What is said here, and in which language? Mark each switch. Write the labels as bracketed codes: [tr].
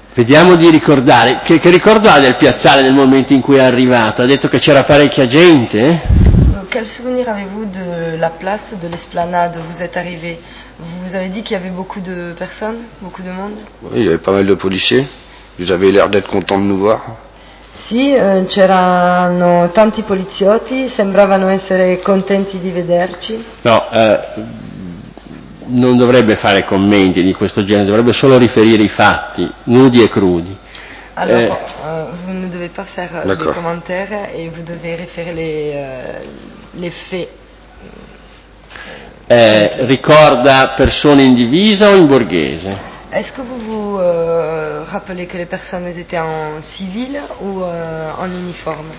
[it] Vediamo di ricordare, che ricordo ha del piazzale nel momento in cui è arrivato? Ha detto che c'era parecchia gente? [fr] Quel souvenir avez-vous de la place, de l'esplanade où vous êtes arrivé? Vous avez dit qu'il y avait beaucoup de personnes, beaucoup de monde? Oui, il y avait pas mal de policiers. Ils avaient l'air d'être contents de nous voir. [it] Sì, c'erano tanti poliziotti, sembravano essere contenti di vederci. No, non dovrebbe fare commenti di questo genere, dovrebbe solo riferire i fatti, nudi e crudi. [fr] Allora, vous ne devez pas faire des commentaires et vous devez référer les faits. [it] Ricorda persone in divisa o in borghese? [fr] Est-ce que vous vous rappelez que les personnes étaient en civil ou en uniforme?